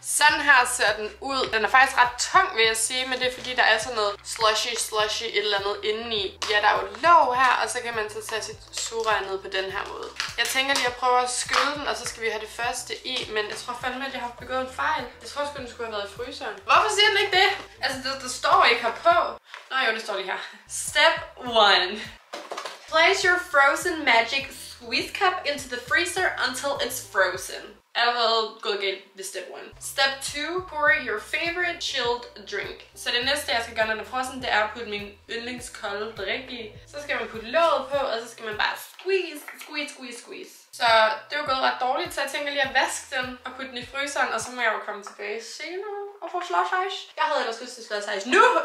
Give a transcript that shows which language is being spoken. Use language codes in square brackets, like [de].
[da] Sådan her ser den ud. Den er faktisk ret tung, vil jeg sige, men det er fordi, der er sådan noget slushy et eller andet indeni. Ja, der er jo låg her, og så kan man så tage sit sugerør ned på den her måde. Jeg tænker lige at prøve at skylle den, og så skal vi have det første i, men jeg tror fandme, at jeg har begået en fejl. Jeg tror sgu, den skulle have været i fryseren. Hvorfor siger den ikke det? Altså, det står ikke her på. Nå jo, det står lige her. [en] Step 1. Place your frozen magic squeeze cup into the freezer until it's frozen. [da] Allerede gået galt ved step 1. [en] Step 2. Pour your favorite chilled drink. [da] Så det næste, jeg skal gøre, når den er frossen, det er at putte min yndlingskolde drik i. Så skal man putte låget på, og så skal man bare squeeze. Så det var gået ret dårligt, så jeg tænker lige at vaske den og putte den i fryseren, og så må jeg jo komme tilbage senere og få slush ice. Jeg havde ellers lyst til slush ice nu!